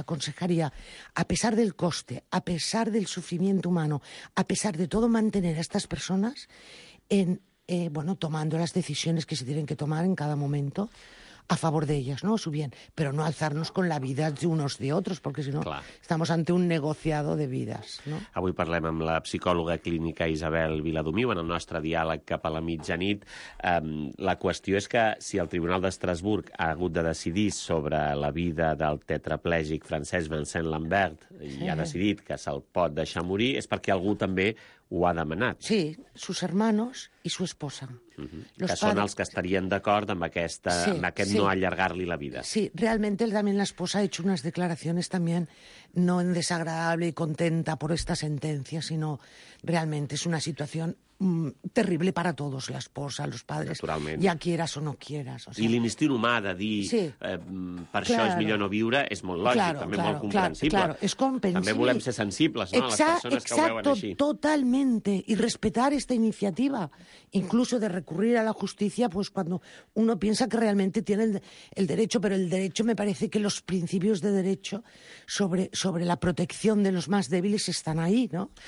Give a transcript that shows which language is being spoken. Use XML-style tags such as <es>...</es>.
<es>Aconsejaría, a pesar del coste, a pesar del sufrimiento humano, a pesar de todo, mantener a estas personas en, bueno, tomando las decisiones que se tienen que tomar en cada momento a favor de ellas, ¿no? Su bien, pero no alzarnos con la vida de unos de otros, porque si no, estamos ante un negociado de vidas, ¿no?</es> <ca>Avui parlem amb la psicòloga clínica Isabel Viladomiu en el nostre diàleg cap a la mitjanit. La qüestió és que si el Tribunal d'Estrasburg ha hagut de decidir sobre la vida del tetraplègic francès Vincent Lambert i ha decidit que se'l pot deixar morir, és perquè algú també ho ha demanat.</ca> <es>Sí, sus hermanos y su esposa.</es> <ca>Que són els que estarien d'acord amb aquesta, sí, amb aquest, sí, no allargar-li la vida.</ca> <es>Sí, realmente también la esposa ha hecho unas declaraciones también no en desagradable y contenta por esta sentencia, sino realmente es una situación terrible para todos, la esposa, los padres, ya quieras o no quieras. O</es> <ca>sea, i l'instint humà de dir, sí, per</ca> <es>claro,</es> <ca>això és millor no viure, és molt lògic,</ca> <es>claro,</es> <ca>també</ca> <es>claro,</es> <ca>molt comprensible.</ca> <es>Claro, es comprensible.</es> <ca>També volem ser sensibles, no, exacto, a les persones</ca> <es>exacto,</es> <ca>que ho veuen així.</ca> <es>Totalmente, y respetar esta iniciativa, incluso de recurrir a la justicia, pues cuando uno piensa que realmente tiene el derecho, pero el derecho me parece que los principios de derecho sobre la protección de los más débiles están ahí, ¿no?</es>